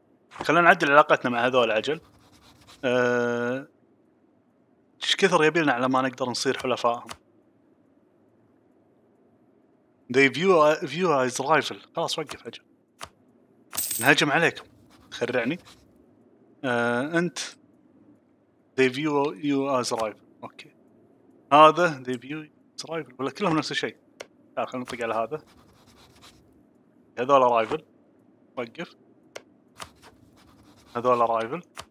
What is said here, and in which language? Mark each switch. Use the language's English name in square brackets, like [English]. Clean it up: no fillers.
[Arabic] خلينا نعدل علاقتنا مع هذول عجل. ايش كثر يبيلنا على ما نقدر نصير حلفائهم؟ [English] They view as rival. [Arabic] خلاص وقف عجل، نهجم عليكم، خرعني. أنت [English] They view you as rival. [Arabic] أوكي هذا [English] They view as rival، [Arabic] ولا كلهم نفس الشيء. خلنا نطق على هذا، هذول rival. وقف، هذول rival.